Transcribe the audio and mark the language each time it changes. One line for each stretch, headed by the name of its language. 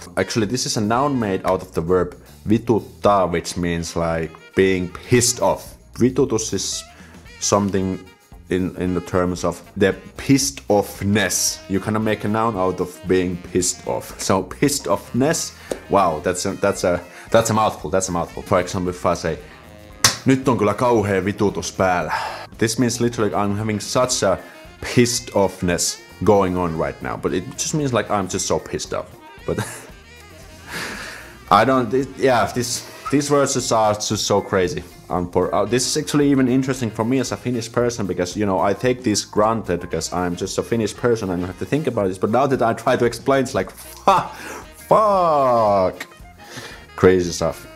English: Actually, this is a noun made out of the verb vituttaa, which means like being pissed off. Vitutus is something in the terms of the pissed offness. You kind of make a noun out of being pissed off. So pissed offness, wow, that's a mouthful, that's a mouthful. For example, if I say,
Finnish: nyt on kyllä kauhea vitutus päällä.
English: This means literally I'm having such a pissed offness going on right now, but it just means like I'm just so pissed off. But these words just are just so crazy. This is actually even interesting for me as a Finnish person, because, you know, I take this granted because I'm just a Finnish person and I have to think about this. But now that I try to explain, it's like, fuck, crazy stuff.